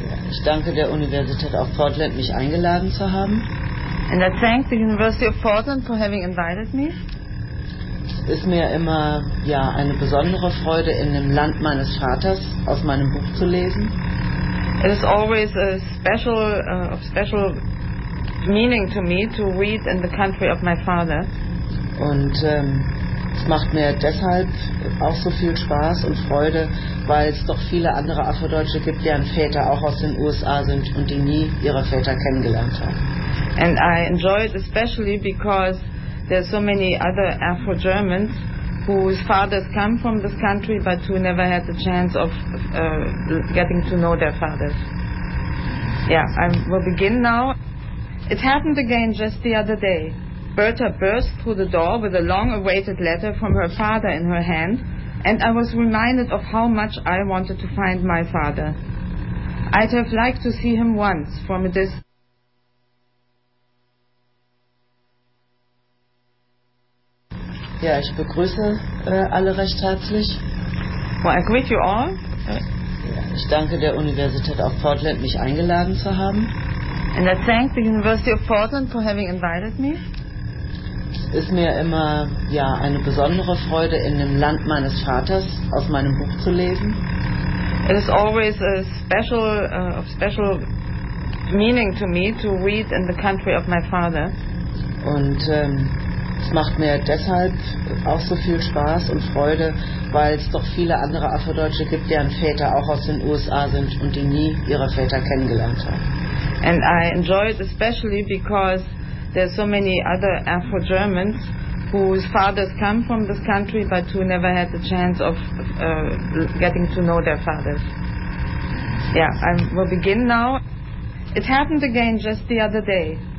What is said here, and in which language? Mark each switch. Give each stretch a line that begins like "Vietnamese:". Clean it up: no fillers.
German: Ich danke der Universität of Portland, mich eingeladen zu haben.
English: And I thank the University of Portland for having invited me.
German: Es ist mir immer eine besondere Freude, in dem Land meines Vaters aus meinem Buch zu lesen.
English: It is always a special, special meaning to me to read in the country of my father.
German: Und es macht mir deshalb auch so viel Spaß und Freude, weil es doch viele andere Afrodeutsche gibt, deren Väter auch aus den USA sind und die nie ihre Väter kennengelernt haben.
English: And I enjoy it especially because there are so many other Afro-Germans whose fathers come from this country but who never had the chance of getting to know their fathers. Yeah, I will begin now. It happened again just the other day. Berta burst through the door with a long-awaited letter from her father in her hand, and I was reminded of how much I wanted to find my father. I'd have liked to see him once from a distance.
German: Ja, ich begrüße alle recht herzlich.
English: Well, I greet you all.
German: Ich danke der Universität auf Portland, mich eingeladen zu haben.
English: And I thank the University of Portland for having invited me.
German: Es ist mir immer ja, eine besondere Freude, in dem Land meines Vaters aus meinem Buch zu lesen.
English: It is always a special, of special meaning to me to read in the country of my father.
German: Und es macht mir deshalb auch so viel Spaß und Freude, weil es doch viele andere Afrodeutsche gibt, deren Väter auch aus den USA sind und die nie ihre Väter kennengelernt haben.
English: And I enjoy it especially because there are so many other Afro-Germans whose fathers come from this country but who never had the chance of getting to know their fathers. Yeah, I will begin now. It happened again just the other day.